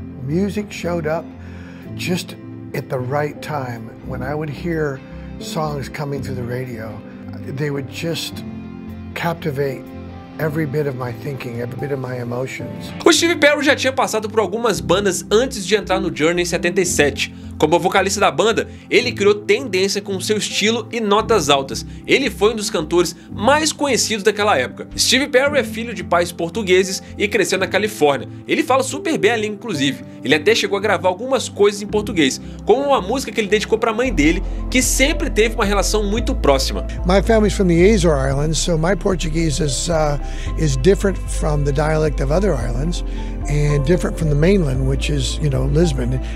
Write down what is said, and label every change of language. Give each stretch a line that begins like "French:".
English: Music showed up just at the right time. When I would hear songs coming through the radio, they would just captivate every bit of my thinking, every bit of my emotions.
Portuguese: O Steve Perry já tinha passado por algumas bandas antes de entrar no Journey em 77. Como vocalista da banda, ele criou tendência com seu estilo e notas altas. Ele foi um dos cantores mais conhecidos daquela época. Steve Perry é filho de pais portugueses e cresceu na Califórnia. Ele fala super bem a língua, inclusive. Ele até chegou a gravar algumas coisas em português, como uma música que ele dedicou para a mãe dele, que sempre teve uma relação muito próxima.
English: My family's from the Azores Islands, so my Portuguese is different from the dialect of other islands and different from the mainland, which is, you know, Lisbon.